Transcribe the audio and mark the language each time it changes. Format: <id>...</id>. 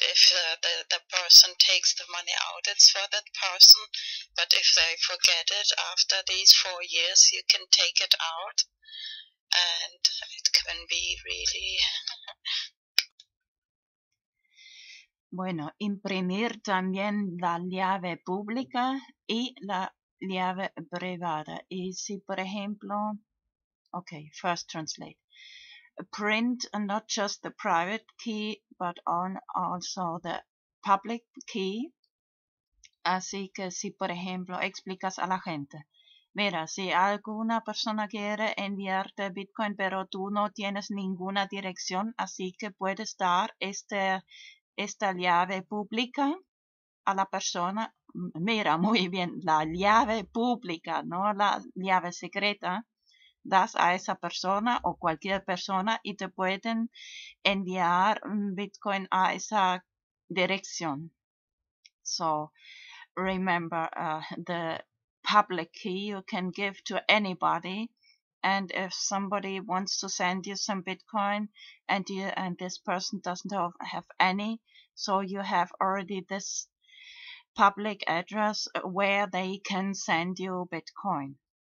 <en>If the person takes the money out, it's for that person. But if they forget it after these 4 years, you can take it out, and it can be really.</en> <es>Bueno, imprimir también la llave pública y la llave privada. Y si, por ejemplo, okay,</es> <en>first translate. Print not just the private key, but on also the public key.</en> <es>Así que si, por ejemplo, explicas a la gente. Mira, si alguna persona quiere enviarte Bitcoin, pero tú no tienes ninguna dirección, así que puedes dar esta llave pública a la persona. Mira, muy bien, la llave pública, no la llave secreta. Das a esa persona o cualquier persona y te pueden enviar Bitcoin a esa dirección.</es> <en>So, remember, the public key you can give to anybody. And if somebody wants to send you some Bitcoin and this person doesn't have any, so you have already this public address where they can send you Bitcoin.</en>